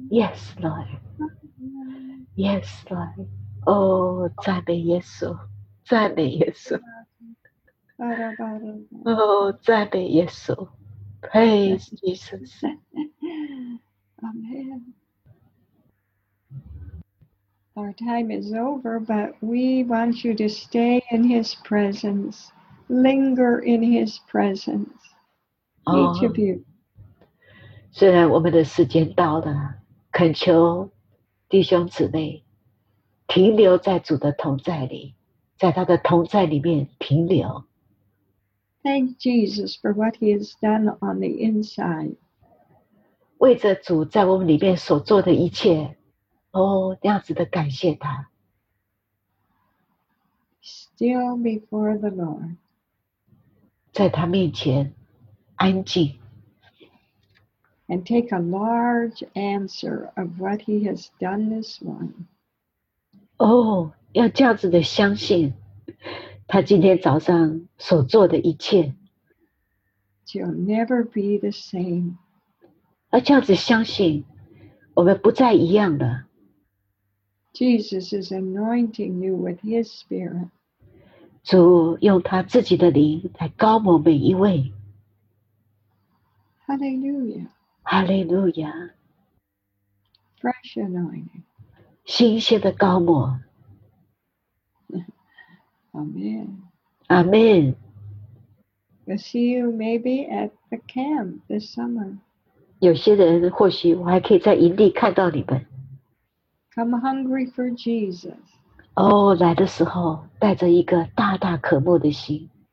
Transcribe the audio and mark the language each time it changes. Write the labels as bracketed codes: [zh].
[en] Yes, Lord. Yes, Lord. [zh] Oh, 赞美耶稣，赞美耶稣。哦，赞美耶稣 ， [en] Praise Jesus， [zh] 阿门。 [en] Our time is over, but we want you to stay in His presence, linger in His presence, each of you. [zh] 虽然我们的时间到了，恳求弟兄姊妹停留在主的同在里，在他的同在里面停留。 [en] Thank Jesus for what He has done on the inside. [zh] 为着主在我们里面所做的一切，哦，那样子的感谢他。 [en] Still before the Lord. [zh] 在他面前安静。 [en] And take a large answer of what He has done this morning. [zh] 哦，要这样子的相信他今天早上所做的一切。 [en] You'll never be the same. [zh] 而这样子相信我们不再一样了。 [en] Jesus is anointing you with His Spirit. [zh] 主用他自己的灵来膏抹每一位。 [en] Hallelujah. Hallelujah. Fresh anointing. [zh] 新鲜的膏抹。 [en] Amen. Amen. We'll see you maybe at the camp this summer. [zh] 有些人或许我还可以在营地看到你们。 [en] Come hungry for Jesus. [zh] 哦，来的时候带着一个大大渴慕的心。